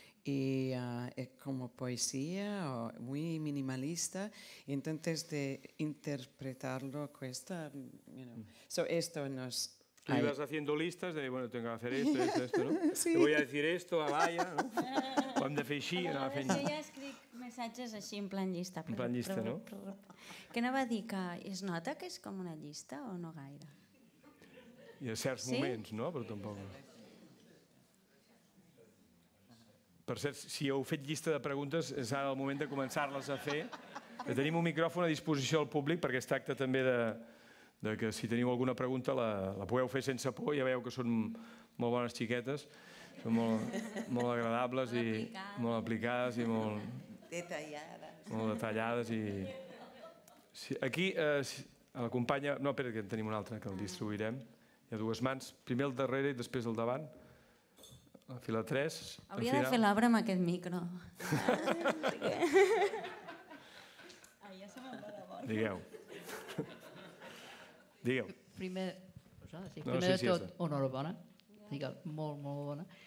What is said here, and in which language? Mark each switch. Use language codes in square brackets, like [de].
[es] y es como poesía o muy minimalista, y entonces de interpretarlo cuesta, [en] you know. [es] So esto nos... Y ibas haciendo listas de, bueno, tengo que hacer esto, esto, esto, ¿no? Sí. Voy a decir esto a Laia, ¿no? [ca] Quan de fer així, anava fent... Jo ja escric missatges així, en plan llista. En plan llista, no? Què anava a dir? Que es nota que és com una llista o no gaire? I a certs moments, no? Però tampoc... Per cert, si heu fet llista de preguntes, és ara el moment de començar-les a fer. Tenim un micròfon a disposició del públic, perquè es tracta també de que si teniu alguna pregunta la pugueu fer sense por. Ja veieu que són molt bones xiquetes, són molt agradables i molt aplicades i molt... Detallades. Molt detallades i... Aquí, a la companya... No, espera, que en tenim una altra, que el distribuirem. Hi ha dues mans, primer el darrere i després el davant. La fila 3. Hauria de fer l'obra amb aquest micro. Ai, ja se m'ha de la Digueu. Digueu. Primer, primer de tot, enhorabona. Digue'l, molt, molt bona.